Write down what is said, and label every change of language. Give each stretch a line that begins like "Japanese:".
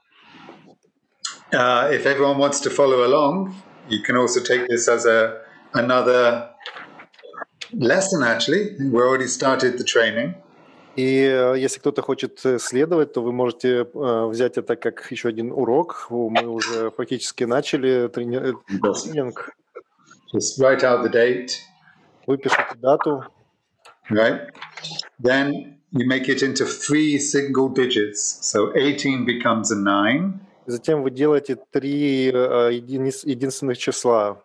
English: Okay. So, if everyone wants to follow along, you can also take this as another lesson, actually. We already started the training.
Russian: И если кто-то хочет следовать, то вы можете взять это как еще один урок. Мы уже фактически начали тренинг.
English: Just write out the date.
Russian: Выпишите дату.
English: Right. Then you make it into three single digits. So 18 becomes a 9.
Russian: Затем вы делаете три единственных числа.